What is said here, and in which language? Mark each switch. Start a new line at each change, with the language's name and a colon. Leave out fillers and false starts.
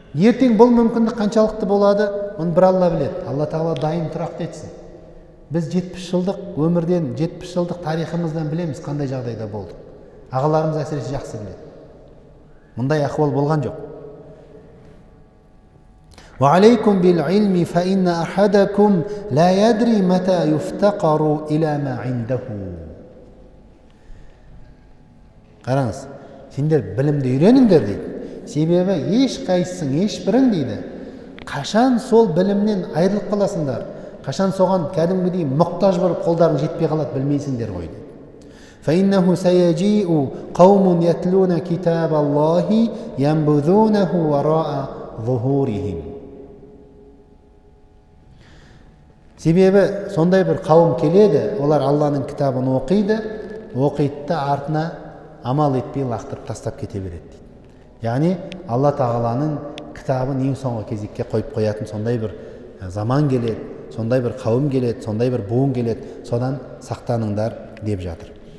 Kazakh: Ертең бұл мүмкіндік қаншалықты болады, оны бір Алла біледі. Алла Тағала дайын тұрақты етсін. Біз 70 жылдық өмірден, 70 жылдық тарихымыздан білеміз қандай жағдайда болдық. Ағаларымыз әсіресе жақсы біледі. Мұндай ахвал болған жоқ.
Arabic: وعليكم بالعلم فإن أحدكم لا يدري متى يفتقر إلى ما عنده.
Kazakh: Қараңыз, сендер білімді үйреніңдер дейді. Себебі ешқайсың, ешбірің дейді. Қашан сол білімнен айырылып қаласыңдар, қашан соған кәдімгідей мұқтаж болып қолдарың жетпей қалады білмейсіңдер ғой дейді.
Arabic: فإنه سيجيء قوم يتلون كتاب الله ينبذونه وراء ظهورهم.
Kazakh: Себебі сондай бір қауым келеді, олар Алланың кітабын оқиды, оқиды, артына амал етпей лақтырып тастап кете береді дейді. Яғни Алла Тағаланың кітабын ең соңғы кезекке қойып қоятын сондай бір заман келеді, сондай бір қауым келеді, сондай бір буын келеді, содан сақтаныңдар деп жатыр.